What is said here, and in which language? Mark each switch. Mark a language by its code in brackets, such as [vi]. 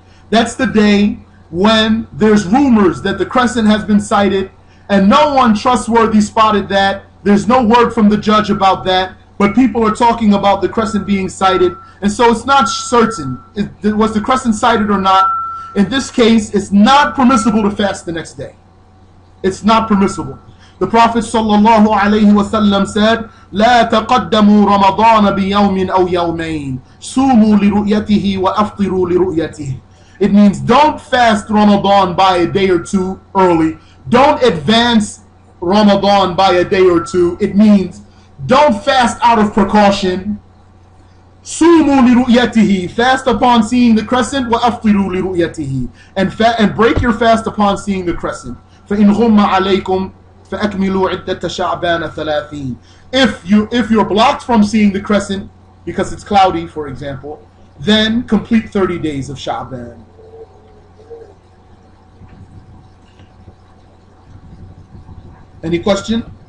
[en] That's the day when there's rumors that the crescent has been sighted and no one trustworthy spotted that. There's no word from the judge about that. But people are talking about the crescent being sighted. And so it's not certain. Was the crescent sighted or not? In this case, it's not permissible to fast the next day. It's not permissible. The Prophet sallallahu alayhi wa sallam said, [ar] لا تقدموا رمضان بيوم أو يومين صوموا لرؤيته وأفطروا لرؤيته. [en] It means don't fast Ramadan by a day or two early. Don't advance Ramadan by a day or two. It means don't fast out of precaution. [ar] صوموا لرؤيته. [en] Fast upon seeing the crescent. [ar] وأفطروا لرؤيته. [en] And break your fast upon seeing the crescent. [ar] فإن غم عليكم فأكملوا عدة شعبان ثلاثين. [en] If you're blocked from seeing the crescent because it's cloudy, for example, then complete 30 days of Sha'ban. Any question?